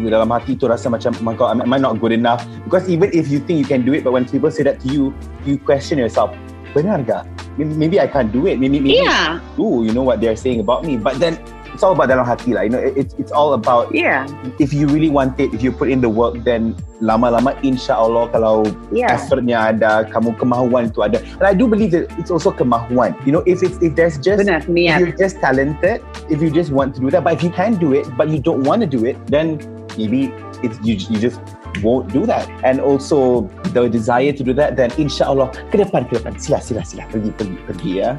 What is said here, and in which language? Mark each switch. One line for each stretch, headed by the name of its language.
Malay: Dalam hati itu rasa macam,
English: oh my god, am I not good enough? Because even if you think you can do it, but when people say that to you, you question yourself.
Malay: Benar ga?
English: Maybe I can't do it. Maybe. Yeah. Ooh, you know what they're saying about me, but then. It's all about
Malay: dalam hati lah,
English: you know, it's all about yeah. if you really want it, if you put in the work, then
Malay: lama-lama insyaAllah kalau
English: yeah.
Malay: effortnya ada, kamu kemahuan itu ada.
English: And I do believe that it's also kemahuan, you know, if there's just,
Malay: benar, niat.
English: If you're just talented, if you just want to do that, but if you can do it, but you don't want to do it, then maybe it's, you just won't do that. And also the desire to do that, then insyaAllah,
Malay: ke depan, sila, pergi ya.